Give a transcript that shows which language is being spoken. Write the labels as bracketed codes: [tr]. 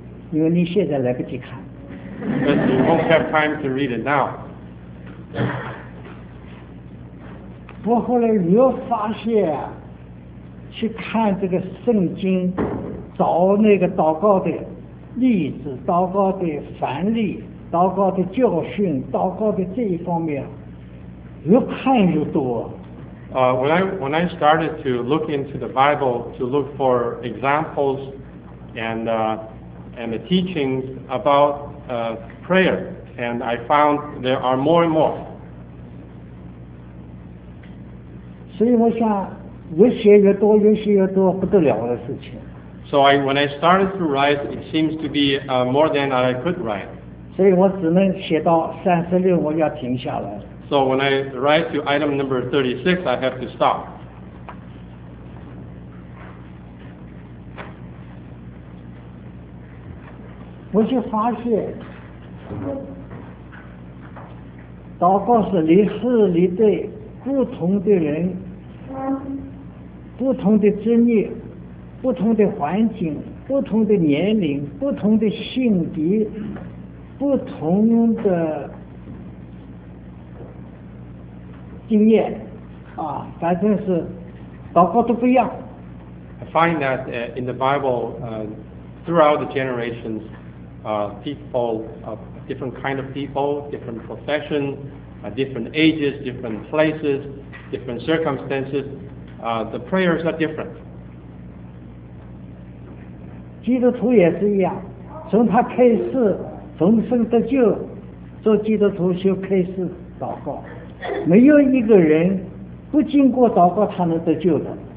[zh] 因为你现在来不及看。 [en] But you won't have time to read it now. [zh] 我后来又发现，去看这个圣经，找那个祷告的例子，祷告的范例，祷告的教训，祷告的这一方面，越看越多。 [en] When I started to look into the Bible to look for examples and the teachings about prayer, and I found there are more and more. [zh] 所以我想，越写越多，越写越多，不得了的事情。 [en] So I, when I started to write, it seems to be more than I could write. [zh] 所以我只能写到36，我要停下来。 [en] So when I write to item number 36, I have to stop. [zh] 我就发现，祷告是离事离对，不同的人，不同的职业，不同的环境，不同的年龄，不同的性别，不同的经验，啊，反正是祷告都不一样。 [en] I find that in the Bible, throughout the generations, people of different kind of people, different profession, different ages, different places, different circumstances, the prayers are different. [zh] 基督徒也是一样，从他开始重生得救，做基督徒就开始祷告。没有一个人不经过祷告他能得救的。